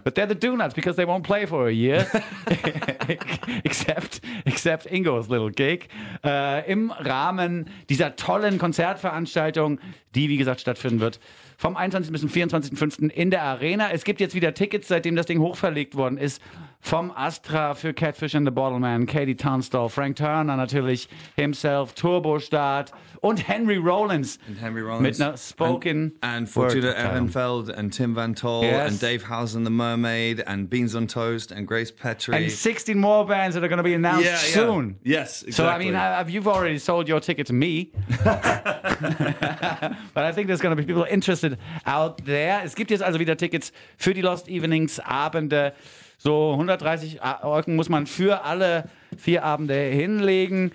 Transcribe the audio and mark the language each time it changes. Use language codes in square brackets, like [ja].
[en] But they're the Donuts because they won't play for a year. except Ingo's little gig. [de] Im Rahmen dieser tollen Konzertveranstaltung, die, wie gesagt, stattfinden wird, vom 21. bis zum 24.05. in der Arena. Es gibt jetzt wieder Tickets, seitdem das Ding hochverlegt worden ist, vom Astra für Catfish and the Bottleman, Katie Tunstall, Frank Turner natürlich, himself, Turbostart und Henry Rollins. Und Henry Rollins. Mit einer Spoken [en] and [de] Fortuna Ehrenfeld und Tim Van Tol und Dave Howes and the Mermaid und Beans on Toast und Grace Petrie. [en] And 16 more bands that are going to be announced soon. Yes, exactly. So, I mean, you've already sold your ticket to me. But I think there's going to be people interested out there. [de] Es gibt jetzt also wieder Tickets für die Lost Evenings Abende. So 130 Euro muss man für alle vier Abende hinlegen.